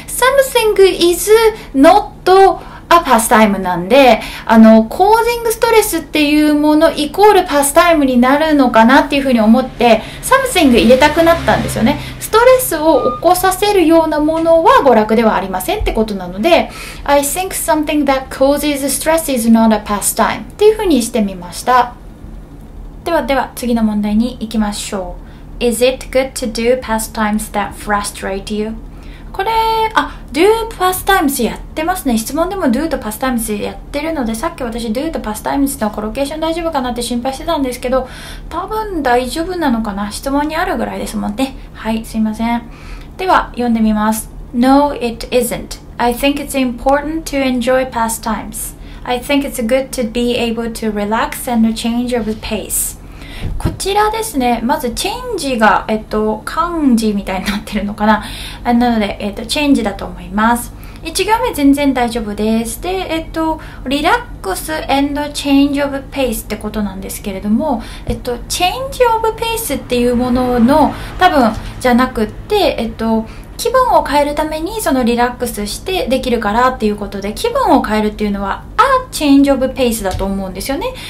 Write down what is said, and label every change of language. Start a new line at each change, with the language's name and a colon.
English: Something is not a pastime
Japanese: なんで、コージングストレスっていうものイコールパスタイムになるのかなっていうふうに思って、Something入れたくなったんですよね。ストレスを起こさせるようなものは娯楽ではありませんってことなので、
English: I think something that causes stress is not a pastime
Japanese: っていうふうにしてみました。ではでは次の問題に行きましょう。
English: Is it good to do pastimes that frustrate you?
Japanese: これ、
English: do pastimes
Japanese: やってますね。質問でも do と pastimes やってるので、さっき私 do と pastimes のコロケーション大丈夫かなって心配してたんですけど、多分大丈夫なのかな。質問にあるぐらいですもんね。はい、すいません。では、読んでみます。
English: No, it isn't. I think it's important to enjoy pastimes. I think it's good to be able to relax and change of pace.
Japanese: こちらですね。まず、チェンジが、漢字みたいになってるのかな。なので、チェンジだと思います。1行目全然大丈夫です。で、リラックス&チェンジオブペースってことなんですけれども、チェンジオブペースっていうものの、多分、じゃなくって、気分を変えるためにそのリラックスしてできるからっていうことで、気分を変えるっていうのは
English: a change of pace
Japanese: だと思うんですよね。